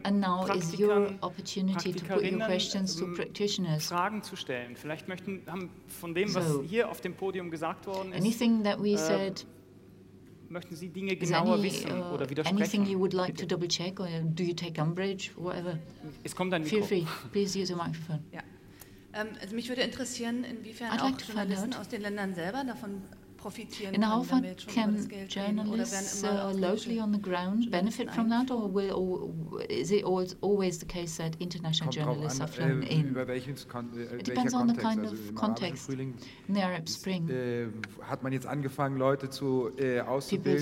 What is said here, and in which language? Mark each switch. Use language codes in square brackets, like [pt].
[en] and now is your opportunity to put your questions to practitioners. [de] Fragen zu stellen. Vielleicht möchten haben von dem, was hier auf dem Podium gesagt worden ist, [en] anything that we said, [de] möchten Sie Dinge genauer wissen oder widersprechen? [en] Anything you would like to double check or do you take umbrage, whatever? [de] Es kommt ein Mikro. [en] Feel free, please use a microphone. [de] Ja. Also mich würde interessieren, inwiefern [en] I'd [de] auch Journalisten aus den Ländern selber davon profitieren. [en] In how far can journalists locally on the ground benefit from that, or will or is it always the case that international journalists are flown in? It depends on the kind of context. In the Arab Spring, [de] hat man jetzt angefangen, Leute zu auszubilden.